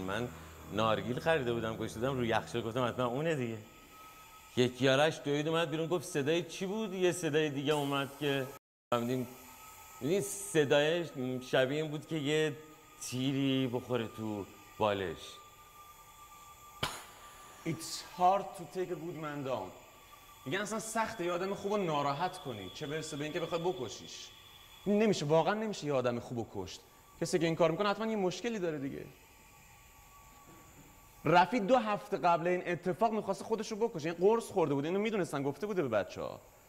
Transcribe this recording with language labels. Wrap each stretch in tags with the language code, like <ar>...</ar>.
<fa>من نارگیل خریده بودم، گشتم روی یخچال، گفتم حتما اونه دیگه. یکی آرش دوید اومد بیرون، گفت صدای چی بود؟ یه صدای دیگه اومد که فهمیدیم این صدای شبیه این بود که یه تیری بخوره تو بالش.</fa> <en>It's hard to take a good man down.</en> <fa>میگن اصلا سخته یه آدم خوب رو ناراحت کنی، چه برسه به اینکه بخواد بکشیش. نمیشه، واقعا نمیشه یه آدم خوب رو کشت. کسی که این کار میکنه حتما یه مشکلی داره دیگه. رفی دو هفته قبل این اتفاق میخواست خودش رو بکشه، این قرص خورده بود، اینو میدونستن، گفته بوده به بچه ها.</fa>